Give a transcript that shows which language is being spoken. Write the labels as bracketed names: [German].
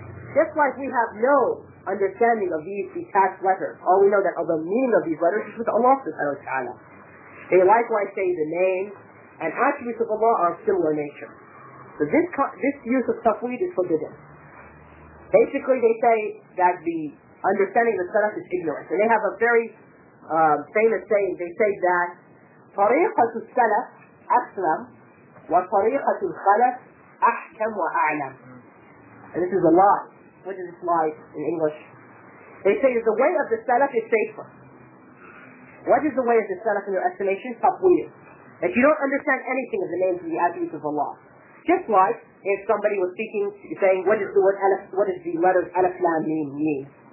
[English] Just like we have no understanding of these detached letters, all we know that the meaning of these letters is with Allah subhanahu wa ta'ala. They likewise say the name and attributes of Allah are of similar nature. So this use of tafweed is forbidden. Basically, they say that the understanding of the salaf is ignorance, and they have a very famous saying. They say that [Arabic] طريقة السلف أسلم وطريقة الخلف أحكم وأعلم. [English] And this is a lie. What is this lie in English? They say that the way of the Salaf is safer. What is the way of the Salaf in your estimation? Taqweer. That you don't understand anything of the names and the attributes of Allah. Just like if somebody was speaking, saying, what is the letters Alif Lam Mim mean?